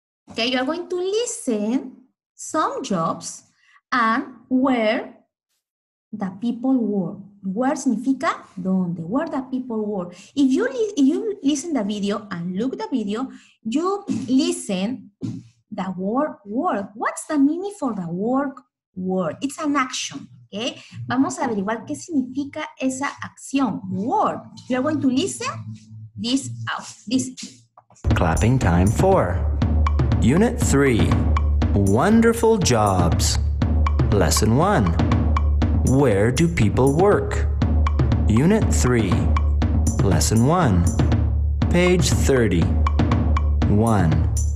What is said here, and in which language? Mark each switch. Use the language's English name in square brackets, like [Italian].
[English] Okay, you are going to listen some jobs and where the people work. Where significa donde, where the people work. If you listen the video and look the video, you listen the word work. What's the meaning for the work word? It's an action, okay? [Spanish] Vamos a averiguar qué significa esa acción, work. [English] You are going to listen this out, this. Clapping time 4. Unit 3, wonderful jobs. Lesson 1, where do people work? Unit 3, lesson 1, page 30, 1.